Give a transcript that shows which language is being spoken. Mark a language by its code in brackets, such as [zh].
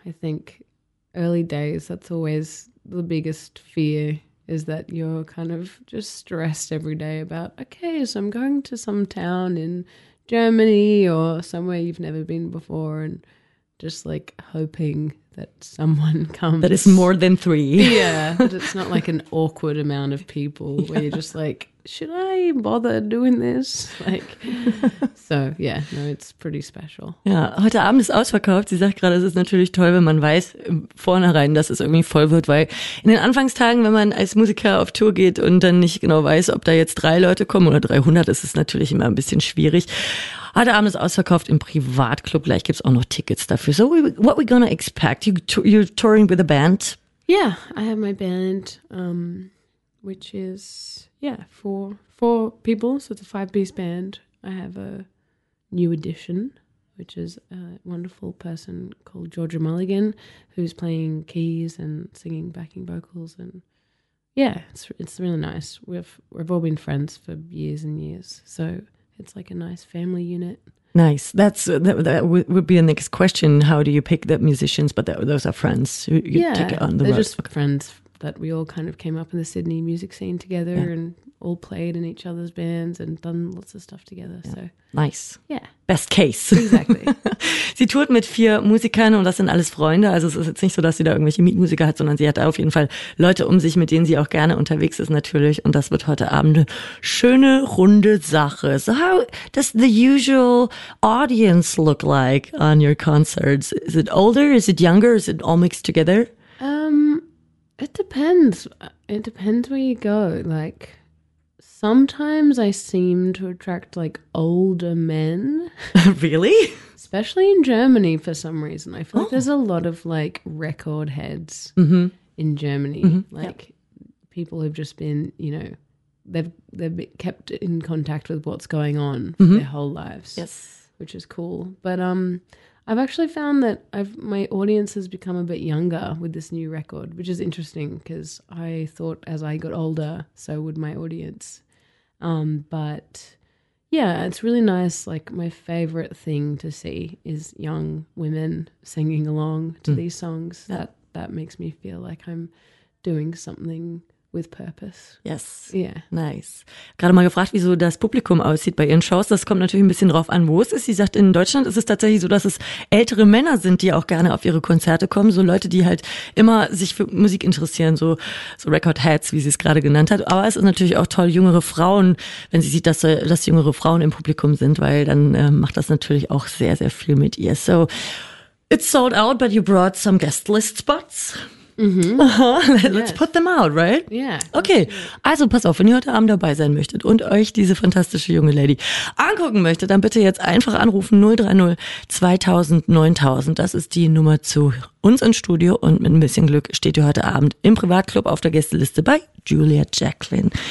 [en] I think early days, that's always the biggest fear, is that you're kind of just stressed every day about, okay, so I'm going to some town in Germany or somewhere you've never been before and just like hoping that someone comes. That it's more than three. Yeah, but it's not like an awkward amount of people where you're just like, should I bother doing this? Like, so yeah, no, it's pretty special. [de] Ja, heute Abend ist ausverkauft. Sie sagt gerade, es ist natürlich toll, wenn man weiß im Vornherein, dass es irgendwie voll wird, weil in den Anfangstagen, wenn man als Musiker auf Tour geht und dann nicht genau weiß, ob da jetzt drei Leute kommen oder 300, ist es natürlich immer ein bisschen schwierig. Heute Abend ist ausverkauft im Privatclub. Gleich gibt's auch noch Tickets dafür. [en] So what we gonna expect? You're touring with a band? Yeah, I have my band, which is, yeah, four people, so it's a 5-piece band. I have a new addition, which is a wonderful person called Georgia Mulligan, who's playing keys and singing backing vocals, and yeah, it's really nice. We've all been friends for years and years, so it's like a nice family unit. Nice. That would be the next question. How do you pick the musicians? But those are friends who you take it on the road. They're just friends that we all kind of came up in the Sydney music scene together and all played in each other's bands and done lots of stuff together. Yeah. So nice. Yeah. Best case. Exactly. [de] Sie tourt mit 4 Musikern und das sind alles Freunde. Also es ist jetzt nicht so, dass sie da irgendwelche Mietmusiker hat, sondern sie hat da auf jeden Fall Leute um sich, mit denen sie auch gerne unterwegs ist natürlich. Und das wird heute Abend eine schöne, runde Sache. [en] So how does the usual audience look like on your concerts? Is it older? Is it younger? Is it all mixed together? It depends. It depends where you go. Like, sometimes I seem to attract, like, older men. Really? Especially in Germany for some reason. I feel like there's a lot of, like, record heads in Germany. Mm-hmm. Like, people have just been, you know, they've kept in contact with what's going on for their whole lives. Yes. Which is cool. But I've actually found that my audience has become a bit younger with this new record, which is interesting because I thought as I got older, so would my audience. But Yeah, it's really nice. Like, my favorite thing to see is young women singing along to these songs. Yeah. That makes me feel like I'm doing something with purpose. Yes. Yeah. Nice. [de] Gerade mal gefragt, wie so das Publikum aussieht bei ihren Shows. Das kommt natürlich ein bisschen drauf an, wo es ist. Sie sagt, in Deutschland ist es tatsächlich so, dass es ältere Männer sind, die auch gerne auf ihre Konzerte kommen. So Leute, die halt immer sich für Musik interessieren. So Recordheads, wie sie es gerade genannt hat. Aber es ist natürlich auch toll, jüngere Frauen, wenn sie sieht, dass jüngere Frauen im Publikum sind, weil dann macht das natürlich auch sehr, sehr viel mit ihr. [en] So, it's sold out, but you brought some guest list spots. Mm-hmm. Uh-huh. Let's put them out, right? Yeah. [de] Okay, also pass auf, wenn ihr heute Abend dabei sein möchtet und euch diese fantastische junge Lady angucken möchtet, dann bitte jetzt einfach anrufen 030 2000 9000. Das ist die Nummer zu uns ins Studio und mit ein bisschen Glück steht ihr heute Abend im Privatclub auf der Gästeliste bei Julia Jacqueline.